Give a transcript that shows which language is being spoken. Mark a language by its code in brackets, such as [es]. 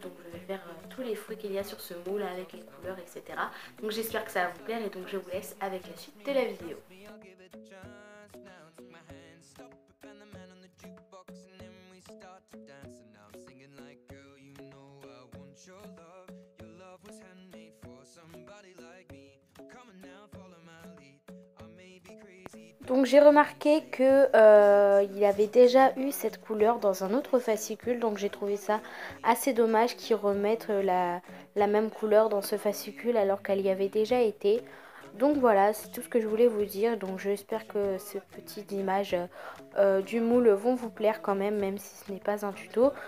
[fr] Donc je vais faire tous les fruits qu'il y a sur ce moule avec les couleurs, etc. Donc j'espère que ça va vous plaire et donc je vous laisse avec la suite de la vidéo. [en] Start to dance and now I'm singing like, girl, you know I want your love. Your love was handmade for somebody like me. Come on now, follow my lead. I may be crazy. [fr] Donc j'ai remarqué que il avait déjà eu cette couleur dans un autre fascicule, donc j'ai trouvé ça assez dommage qu'ils remettent la même couleur dans ce fascicule alors qu'elle y avait déjà été. Donc voilà, c'est tout ce que je voulais vous dire. Donc j'espère que ces petites images du moule vont vous plaire quand même, même si ce n'est pas un tuto.